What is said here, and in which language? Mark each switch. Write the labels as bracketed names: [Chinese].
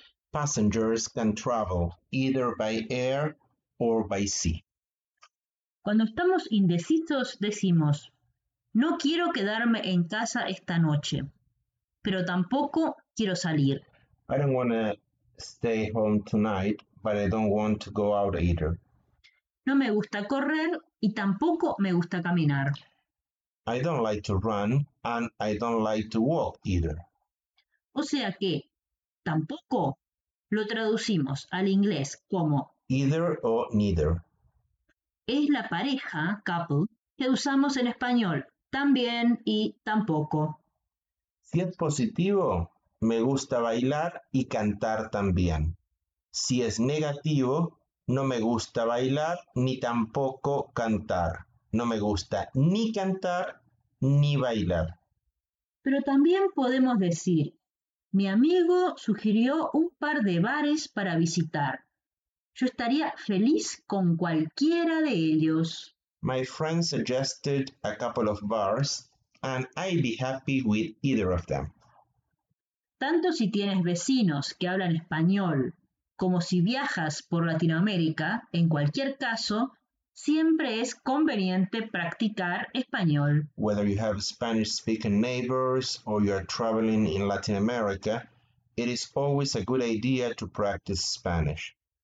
[English] Passengers can travel either by air or by sea. [Spanish] Cuando estamos indecisos, decimos, no quiero quedarme en casa esta noche, pero tampoco quiero salir. [English] Don't want to stay home tonight. But I don't want to go out either. [Spanish] No me gusta correr y tampoco me gusta caminar. [English] I don't like to run and I don't like to walk either. [Spanish] O sea que tampoco lo traducimos al inglés como [English] Either or neither. [Spanish] es la pareja, couple, que usamos en español, también y tampoco. Si es positivo, me gusta bailar y cantar también. Si es negativo, no me gusta bailar ni tampoco cantar. No me gusta ni cantar ni bailar. Pero también podemos decir, mi amigo sugirió un par de bares para visitar. Yo estaría feliz con cualquiera de ellos. [English] My friend suggested a couple of bars, and I'd be happy with either of them. [Spanish] Tanto si tienes vecinos que hablan español como si viajas por Latinoamérica, en cualquier caso, siempre es conveniente practicar español. [English] Whether you have Spanish-speaking neighbors or you are traveling in Latin America, it is always a good idea to practice Spanish.